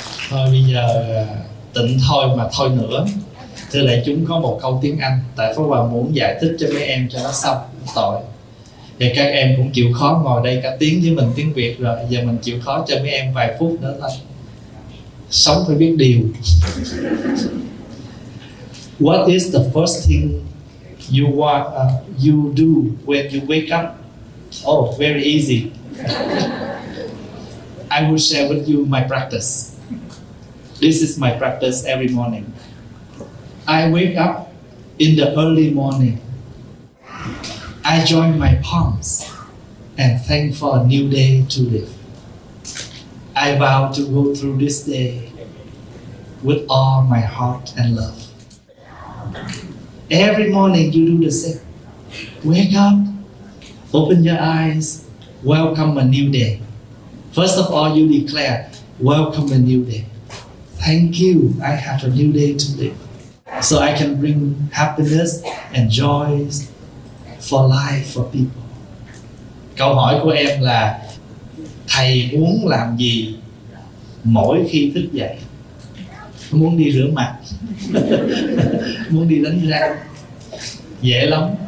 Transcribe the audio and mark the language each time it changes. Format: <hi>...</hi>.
<vi>Thôi bây giờ tỉnh thôi mà thôi nữa. Thưa lại chúng có một câu tiếng Anh, tại Pháp Hòa muốn giải thích cho mấy em cho nó xong, tội. Thì các em cũng chịu khó ngồi đây cả tiếng với mình tiếng Việt rồi, giờ mình chịu khó cho mấy em vài phút nữa thôi. Sống phải biết điều.</vi> <en>What is the first thing you want, you do when you wake up? Oh, very easy. I will share with you my practice. This is my practice every morning. I wake up in the early morning. I join my palms and thank for a new day to live. I vow to go through this day with all my heart and love. Every morning you do the same. Wake up, open your eyes, welcome a new day. First of all, you declare, welcome a new day. Thank you, I have a new day to live. So I can bring happiness and joy for life, for people.</en> <vi>Câu hỏi của em là, thầy muốn làm gì mỗi khi thức dậy? Muốn đi rửa mặt, muốn đi đánh răng. Dễ lắm.</vi>